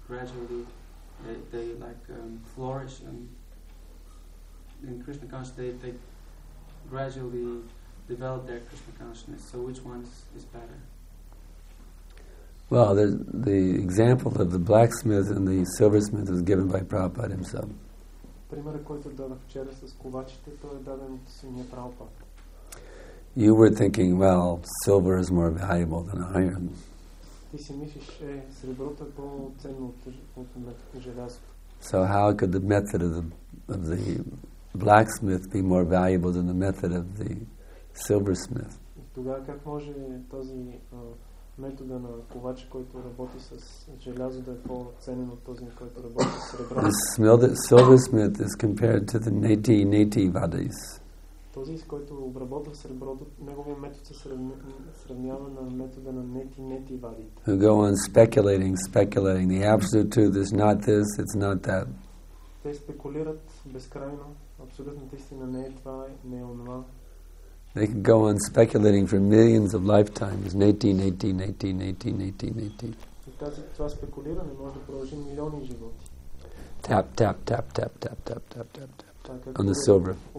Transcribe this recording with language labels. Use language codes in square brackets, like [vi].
[en] Gradually, they flourish, and in Krishna consciousness, they gradually develop their Krishna consciousness. So, which one is better? Well, the example of the blacksmith and the silversmith is given by Prabhupada himself. [bg] Примерът, който дадох вчера с ковачите, той е даден от самия Прабхупад. [en] You were thinking, well, silver is more valuable than iron. [bg] Ти си мислиш, среброто е по-ценно от желязото. [en] So how could the method of the blacksmith be more valuable than the method of the silversmith? [bg] Тогава как може този метода на ковача, който работи с желязо, да е по-ценен от този, който работи с сребро? [en] The silversmith is compared to the neti vadis. [bg] Този, с който обработва среброто, неговият метод се сравнява на метода на neti vadis. [en] Who go on speculating, the absolute truth is not this, it's not that. [bg] Те спекулират безкрайно, абсолютната истина не е това, не е онова. [en] They can go on speculating for millions of lifetimes, 18, 18, 18, 18, 18, 18. Tap, tap, tap, tap, tap, tap, tap, tap, tap, on the silver.